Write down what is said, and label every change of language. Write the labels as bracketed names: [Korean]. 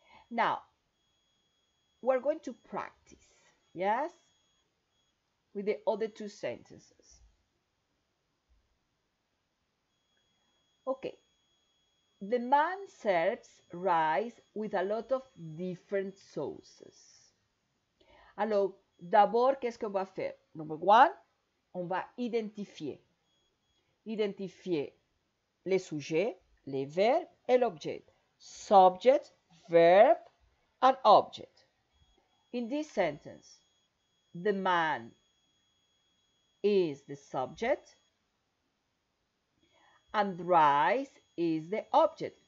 [English] Now, we're going to practice, yes, with the other two sentences. Okay. The man serves rice with a lot of different sauces. [French] Alors, d'abord, qu'est-ce qu'on va faire? [English] Number one, [French] on va identifier le sujet, les verbes et l'objet. [English] Subject, verb, and object. In this sentence, the man is the subject and rice is the object.